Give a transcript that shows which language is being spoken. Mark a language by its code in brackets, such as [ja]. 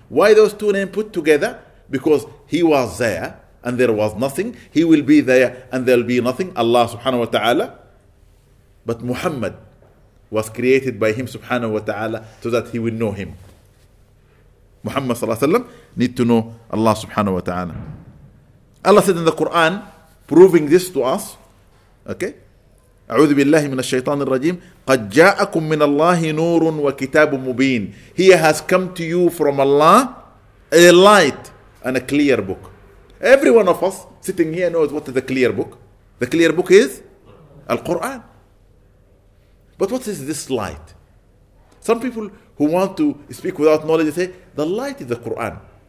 [en] Why those two names put together? Because he was there and there was nothing. He will be there and there will be nothing. Allah subhanahu wa ta'ala. But Muhammad was created by him subhanahu wa ta'ala so that he will know him. Muhammad sallallahu alayhi wa sallam need to know Allah subhanahu wa ta'ala. Allah said in the Quran, proving this to us, okay, [ar] أعوذ بالله من الشيطان الرجيم قد جاءكم من الله نور وكتاب مبين. [en] He has come to you from Allah a light and a clear book. Every one of us sitting here knows what is the clear book. The clear book is Al-Quran. But what is this light? Some people who want to speak without knowledge say the light is the Quran.